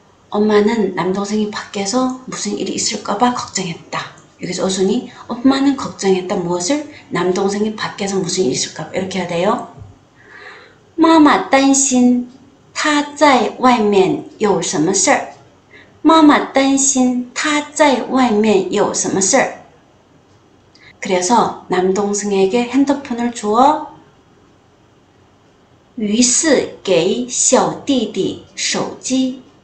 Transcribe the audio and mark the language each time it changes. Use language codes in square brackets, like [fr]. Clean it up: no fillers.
[ko] 엄마는 남동생이 밖에서 무슨 일이 있을까 봐 걱정했다. 여기서 어순이, 엄마는 걱정했다. 무엇을? 남동생이 밖에서 무슨 일이 있을까 봐. 이렇게 해야 돼요. [zh] 妈妈担心他在外面有什么事儿。妈妈担心他在外面有什么事儿。 [ko] 그래서 남동생에게 핸드폰을 주어 [zh] 于是给小弟弟手机。